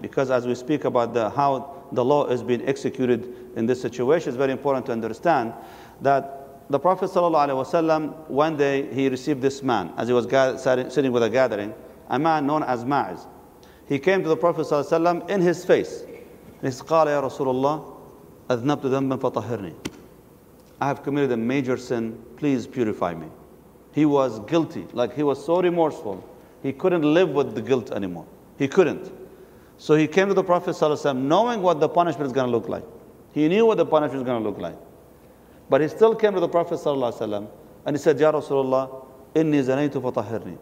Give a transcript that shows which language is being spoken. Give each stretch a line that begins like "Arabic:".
English: Because as we speak about how the law is being executed in this situation, it's very important to understand that the Prophet sallallahu alaihi wasallam, one day he received this man as he was sitting with a gathering, a man known as Ma'iz. He came to the Prophet sallallahu alaihi wasallam in his face. And he said,
Arabic: قَالَ يَا رَسُولُ اللَّهِ أَذْنَبْتُ ذَنْبًا فَطَهِرْنِي.
English: I have committed a major sin. Please purify me. He was guilty. Like, he was so remorseful. He couldn't live with the guilt anymore. He couldn't. So he came to the Prophet sallallahu alaihi wasallam knowing what the punishment is going to look like. He knew what the punishment is going to look like. But he still came to the Prophet sallallahu alaihi wasallam and he said,
Arabic: يَا رَسُولُ اللَّهِ إِنِّي زَنَيْتُ فَطَهِرْنِي.